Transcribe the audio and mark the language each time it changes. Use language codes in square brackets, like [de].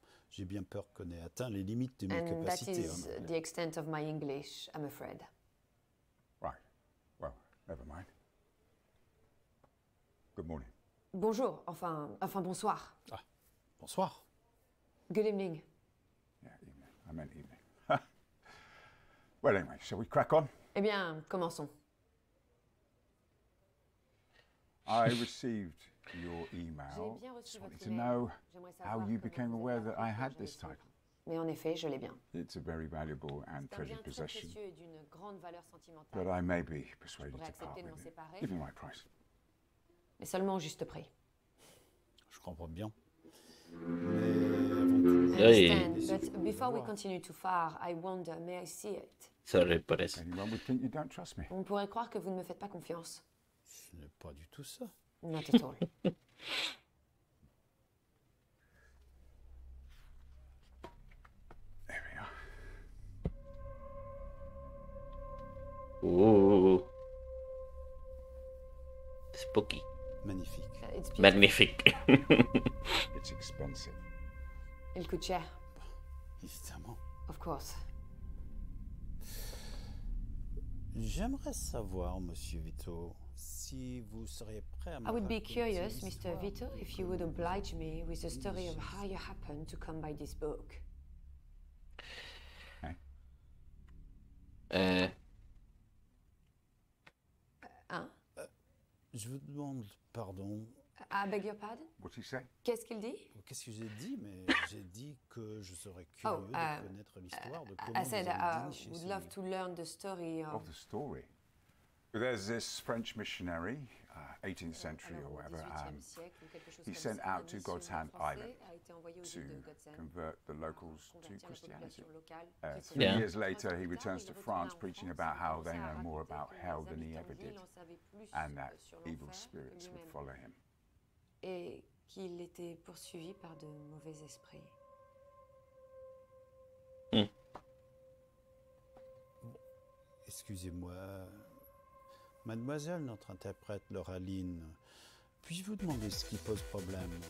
[fr] J'ai bien peur qu'on ait atteint les limites de mes [en] and [fr] capacités. [en] And that is the extent of my English, I'm afraid. Right. Well, never mind. Good morning. [fr] Bonjour. Enfin, bonsoir. Ah, bonsoir. [en] Good evening. Yeah, evening. I meant evening. Well, anyway, shall we crack on? [fr] Eh bien, commençons. [en] I received your email. [fr] J'ai bien reçu votre email. [en] How you became aware that I had this title. [fr] Mais en effet, je l'ai bien. [en] It's a very valuable and treasured possession. [fr] C'est un bien très précieux et d'une grande valeur sentimentale. [en] But I may be persuaded to part with it. Give me my price. [fr] Mais seulement au juste prix. Je comprends bien. [en] But before we continue too far, I wonder, may I see it? Sorry, parece. Anyone would think you don't trust me. [fr] On pourrait croire que vous ne me faites pas confiance. Ce n'est pas du tout ça. [en] Not at all. There we are. Ooh. Spooky. [fr] Magnifique. Magnifique. [en] It's expensive. [fr] Il coûte cher. Évidemment. [en] Of course. [fr] J'aimerais savoir, Monsieur Vito, si vous seriez prêt à me [en] I would be curious, Mr. Vito, if you would oblige me with the story of how you happened to come by this book. [fr] Je vous demande pardon. [en] I beg your pardon? What did he say? [fr] Qu'est-ce qu'il dit? Qu'est-ce que j'ai dit? Mais j'ai dit que je serais curieux de connaître l'histoire de comment vous êtes venu chez [en] I would love to learn the story of... Of the story? There's this French missionary, 18th century or whatever, he sent out to God's Hand Island to convert the locals to Christianity. 3 years later, he returns to France preaching about how they know more about hell than he ever did and that evil spirits would follow him. [fr] Et qu'il était poursuivi par de mauvais esprits. Excusez-moi. Mademoiselle, notre interprète, Laura Lynn, puis-je vous demander ce qui pose problème?